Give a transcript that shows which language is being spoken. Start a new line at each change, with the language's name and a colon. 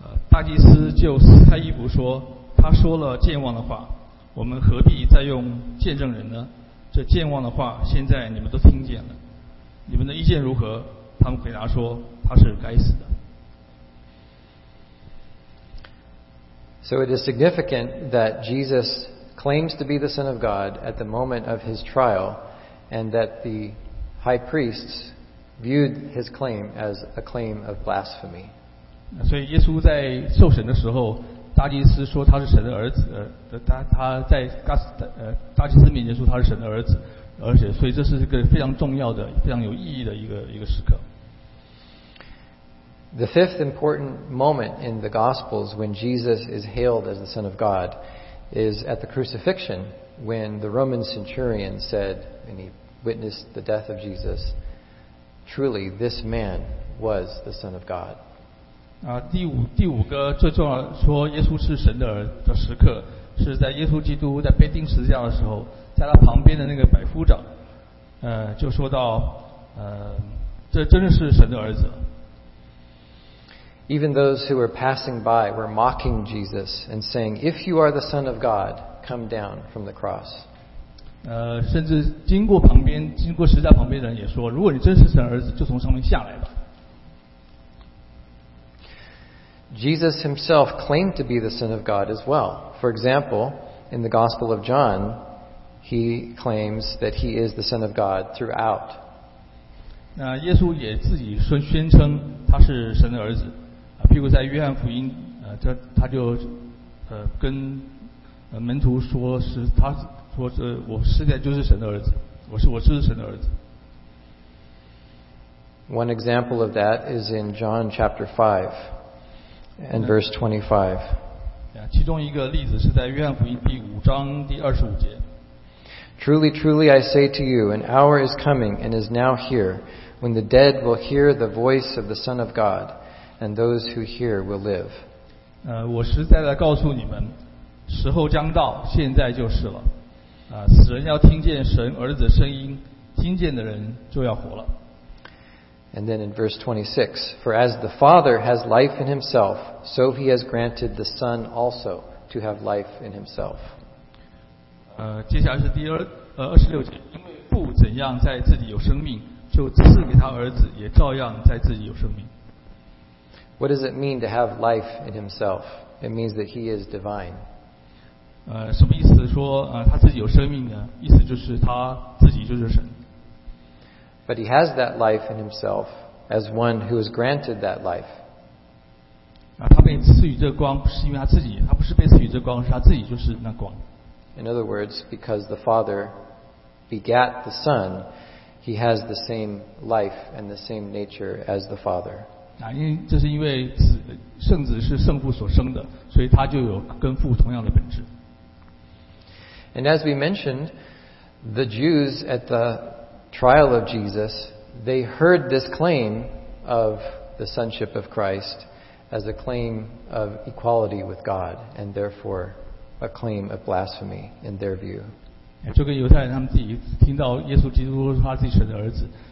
Chinese: 大祭司就撕开衣服说，他说了健忘的话，我们何必再用见证人呢？这健忘的话现在你们都听见了，你们的意见如何？他们回答说，他是该死的。
English: So it is significant that Jesus claims to be the Son of God at the moment of his trial, and that the high priests viewed his claim as a claim of blasphemy.
Chinese: 所以耶稣在受审的时候，大祭司说他是神的儿子，他在大祭司面前说他是神的儿子，而且所以这是一个非常重要的、非常有意义的一个时刻。
English: The fifth important moment in the Gospels when Jesus is hailed as the Son of God is at the crucifixion, when the Roman centurion said, and he witnessed the death of Jesus, "Truly, this man was the Son of God."
Chinese: 第五个最重要说耶稣是神的儿的时刻，是在耶稣基督在被钉十字架的时候，在他旁边的那个百夫长，就说到，这真的是神的儿子。
English: Even those who were passing by were mocking Jesus and saying, "If you are the Son of God, come down from the cross."
Chinese: 甚至经过十字架旁边的人也说，如果你真是神的儿子，就从上面下来吧。
English: Jesus himself claimed to be the Son of God as well. For example, in the Gospel of John, he claims that he is the Son of God throughout.
Chinese: 耶稣也自己宣称他是神的儿子。譬如在约翰福音，他就跟门徒说，是他说这我实在就是神的儿子，我就是神的儿子。
English: One example of that is in John chapter 5 and verse 25.
Chinese: 其中一个例子是在约翰福音第五章第二十五节。
English: Truly, truly, I say to you, an hour is coming and is now here, when the dead will hear the voice of the Son of God. And those who hear will live.
Chinese: 我实在地告诉你们，时候将到，现在就是了。死人要听见神儿子的声音，听见的人就要活了。
English: And then in verse 26, for as the Father has life in himself, so he has granted the Son also to have life in himself.
Chinese: 接下来是第26节，因为父怎样在自己有生命，就赐给他儿子，也照样在自己有生命。
English: What does it mean to have life in himself? It means that he is divine.
Chinese: 什么意思说他自己有生命呢？意思就是他自己就是神。
English: But he has that life in himself as one who is granted that life.
Chinese: 他被赐予这光不是因为他自己，他不是被赐予这光，是他自己就是那光。
English: In other words, because the Father begat the Son, he has the same life and the same nature as the Father.
Chinese: 因为这是因为圣子是圣父所生的，所以他就有跟父同样的本质。
English: And as we mentioned, the Jews at the trial of Jesus, they heard this claim of the sonship of Christ as a claim of equality with God, and therefore a claim of blasphemy in their view.
Chinese: 这个犹太人他们自己听到耶稣基督他自己神的儿子，